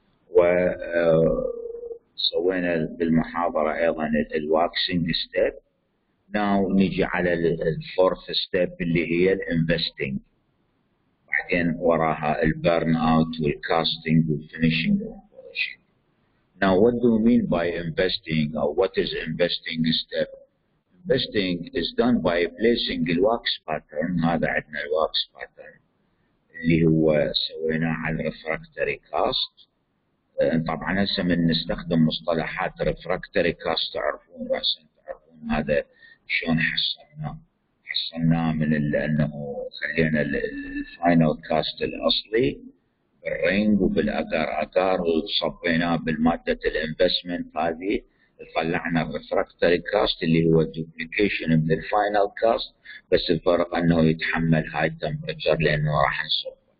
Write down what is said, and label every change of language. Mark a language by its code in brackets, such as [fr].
[ar] و سوينا بالمحاضره ايضا الواكسنج ستيب. ناو نيجي على الفورث ستيب اللي هي الانفستنج، بعدين وراها البيرن اوت والكاستنج والفينشنج. [en] Now what do we mean by investing, or what is investing step? Investing is done by placing the wax pattern. [ar] هذا عندنا wax pattern اللي هو سويناه على refractory cast. طبعا هسه من نستخدم مصطلحات refractory cast تعرفون راسا، تعرفون هذا شلون حصلناه. حصلناه من لانه خلينا الفاينل كاست الاصلي بالرينج وبالاجار اجار وصبيناه بالماده الانفستمنت هذه، طلعنا الريفراكتري كاست اللي هو دوبليكيشن من الفاينل كاست، بس الفرق انه يتحمل هاي تمبرتشر لانه راح نصبه.